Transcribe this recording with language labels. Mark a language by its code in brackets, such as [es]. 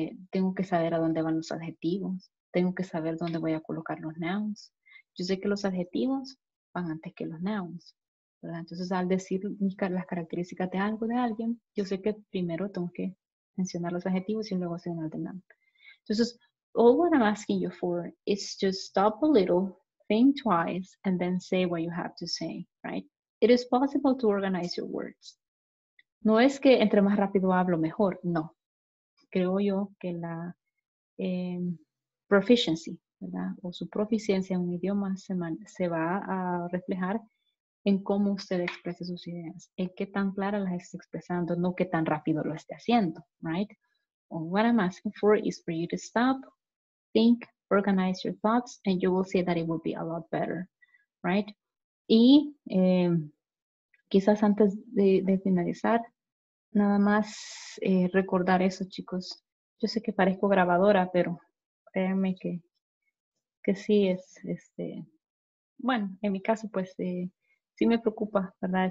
[es] Tengo que saber a dónde van los adjetivos. Tengo que saber dónde voy a colocar los nouns. Yo sé que los adjetivos van antes que los nouns. ¿verdad? Entonces, al decir las características de algo, de alguien, yo sé que primero tengo que mencionar los adjetivos y luego señalar de nada. [en] Entonces, all what I'm asking you for is to stop a little, think twice, and then say what you have to say, right? It is possible to organize your words. [es] No es que entre más rápido hablo, mejor. No. Creo yo que la proficiency, ¿verdad? O su proficiencia en un idioma se va a reflejar en cómo usted expresa sus ideas, en qué tan clara las está expresando, no qué tan rápido lo esté haciendo, right? [en] Well, what I'm asking for is for you to stop, think, organize your thoughts, and you will see that it will be a lot better, right? [es] Y quizás antes de finalizar, nada más recordar eso, chicos. Yo sé que parezco grabadora, pero créanme que sí es, bueno, en mi caso, pues, sí me preocupa, ¿verdad?